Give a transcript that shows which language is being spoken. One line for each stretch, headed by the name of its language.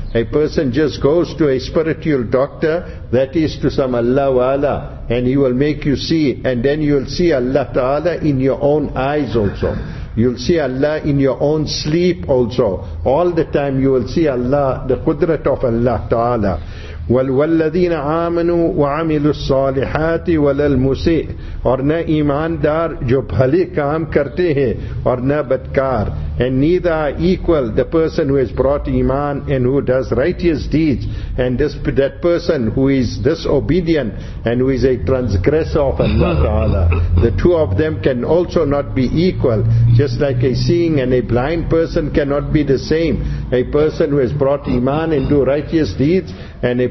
English: A person just goes to a spiritual doctor, that is to some Allah wala, and he will make you see, and then you will see Allah Ta'ala in your own eyes also. You'll see Allah in your own sleep also. All the time you will see Allah, the qudrat of Allah Ta'ala.
Arabic: وَالَّذِينَ آمَنُوا وَعَمِلُوا الصَّالِحَاتِ وَلَلْمُسِئِ.
Urdu: اور نہ ایماندار جو بھلے کام کرتے ہیں اور نہ بدکار.
English: And neither equal the person who has brought iman and who does righteous deeds, and that person who is disobedient and who is a transgressor of Allah Ta'ala. The two of them can also not be equal. Just like a seeing and a blind person cannot be the same. A person who has brought iman and do righteous deeds, and a